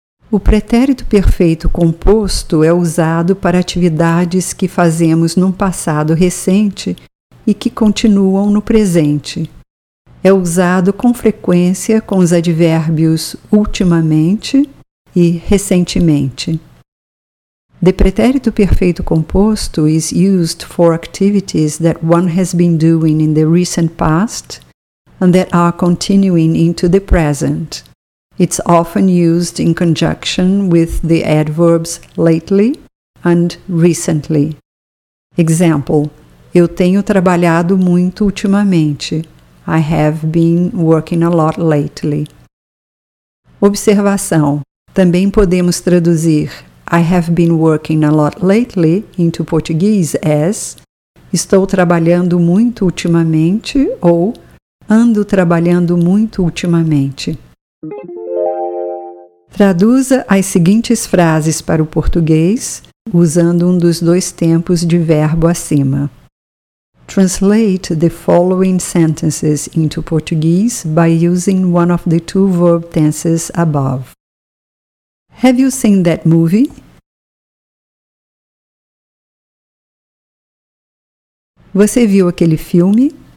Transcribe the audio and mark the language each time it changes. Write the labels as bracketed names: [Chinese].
[Portuguese] O pretérito perfeito composto é usado para atividades que fazemos num passado recente e que continuam no presente. É usado com frequência com os advérbios ultimamente e recentemente. [English] The pretérito perfeito composto is used for activities that one has been doing in the recent past and that are continuing into the present. It's often used in conjunction with the adverbs lately and recently. [Portuguese] Example: eu tenho trabalhado muito ultimamente. [English] I have been working a lot lately. [Portuguese] Observação: também podemos traduzir [English] I have been working a lot lately into Portuguese as [Portuguese] estou trabalhando muito ultimamente ou ando trabalhando muito ultimamente. Traduza as seguintes frases para o português usando um dos dois tempos de verbo acima. [English] Translate the following sentences into Portuguese by using one of the two verb tenses above. Have you seen that movie? [Portuguese] Você viu aquele filme?